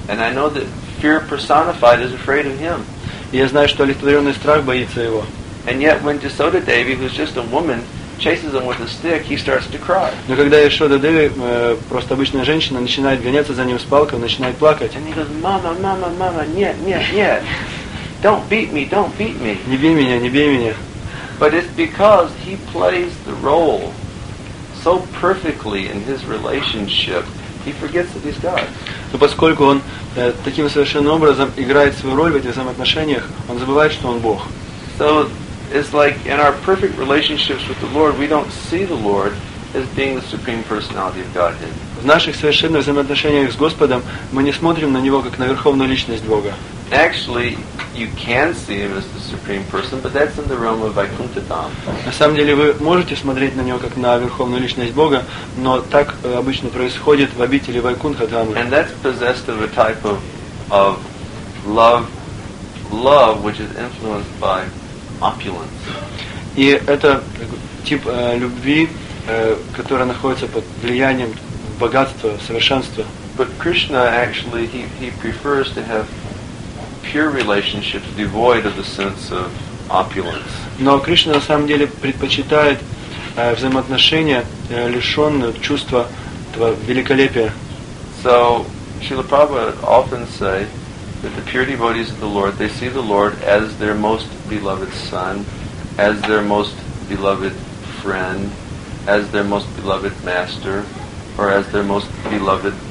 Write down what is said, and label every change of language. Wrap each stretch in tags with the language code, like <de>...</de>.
<en>And I know that fear personified is afraid of him.</en> <ru>И я знаю, что олицетворенный страх боится его.</ru> <en>And yet when Jasoda Devi, who's just a woman, chases him with a stick, he starts to cry.</en> <ru>Но когда Яшода Деви, просто обычная женщина, начинает гоняться за ним с палкой, начинает плакать.</ru> <en>And he goes, Mama, Mama, Mama,</en> <ru>нет, нет, нет.</ru> <en>Don't beat me, don't beat me.</en> <ru>Не бей меня, не бей меня.</ru> <en>But it's because he plays the role so perfectly in his relationship, he forgets that he's God.</en> <ru>Но поскольку он таким совершенным образом играет свою роль в этих взаимоотношениях, он забывает, что он Бог.</ru> <en>So it's like in our perfect relationships with the Lord, we don't see the Lord as being the supreme personality of Godhead.</en> <ru>В наших совершенных взаимоотношениях с Господом мы не смотрим на него как на верховную личность Бога.</ru> <en>Actually, you can see him as the supreme person, but that's in the realm of Vaikuntha Dham.</en> <ru>На самом деле вы можете смотреть на него как на верховную личность Бога, но так обычно происходит в обители Вайкунтха Дхамы.</ru> <en>And that's possessed of a type of love which is influenced by opulence.</en> <ru>И это тип любви, которая находится под влиянием богатства, совершенства.</ru> <en>But Krishna actually he prefers to have pure relationships devoid of the sense of opulence.</en> <ru>Но Кришна на самом деле предпочитает взаимоотношения, лишённые чувства этого великолепия.</ru> <en>So Srila Prabhupada often say that the pure devotees of the Lord, they see the Lord as their most beloved son, as their most beloved friend, as their most beloved master, or as their most beloved</en>